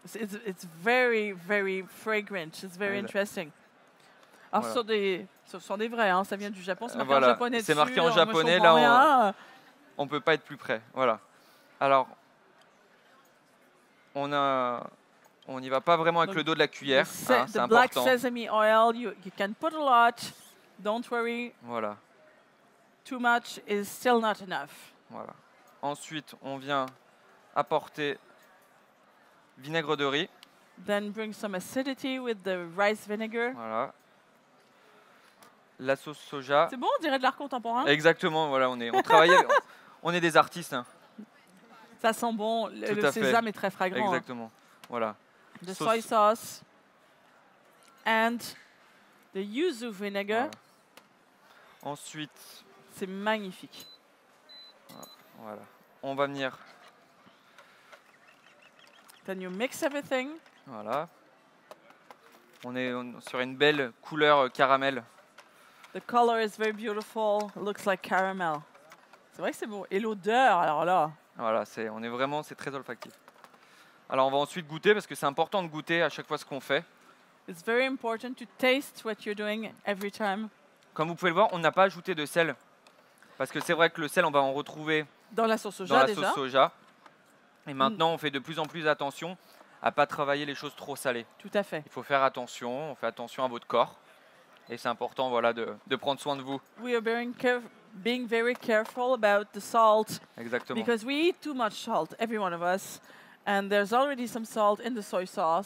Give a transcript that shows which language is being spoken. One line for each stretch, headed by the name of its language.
English: It's very, very fragrant. It's very interesting.
French: Alors, voilà. ce sont des vrais, hein. Ça vient du Japon. C'est marqué voilà. En japonais. C'est marqué en japonais, là. On peut pas être plus près, voilà. Alors, on n'y va pas vraiment avec le dos de la cuillère, hein, c'est important.
English: The black sesame oil, you can put a lot, don't worry.
French: Voilà.
English: Too much is still not enough.
French: Voilà. Ensuite, on vient apporter vinaigre de riz.
English: Then bring some acidity with the rice vinegar.
French: Voilà. La sauce soja. C'est bon, on dirait de l'art contemporain. Exactement, voilà, on travaille. On est des artistes. Hein. Ça sent bon. Le sésame est très fragrant. Exactement. Voilà.
English: The soy sauce and the yuzu vinegar. Voilà.
French: Ensuite. C'est magnifique. Voilà. On va venir.
English: Then you mix everything.
French: Voilà. On est sur une belle couleur caramel.
English: The color is very beautiful. Looks like caramel.
French: C'est vrai que c'est bon. Et l'odeur, alors là. Voilà, c'est très olfactif. Alors, on va ensuite goûter, parce que c'est important de goûter à chaque fois ce qu'on fait.
English: It's very important to taste what you're doing every time.
French: Comme vous pouvez le voir, on n'a pas ajouté de sel. Parce que c'est vrai que le sel, on va en retrouver dans la sauce soja. Dans la sauce soja. Et maintenant, on fait de plus en plus attention à ne pas travailler les choses trop salées. Tout à fait. Il faut faire attention, on fait attention à votre corps. Et c'est important voilà, de prendre soin de vous.
English: We are being very careful about the salt.
French: Exactement.
English: Because we eat too much salt, every one of us. And there's already some salt in the soy sauce.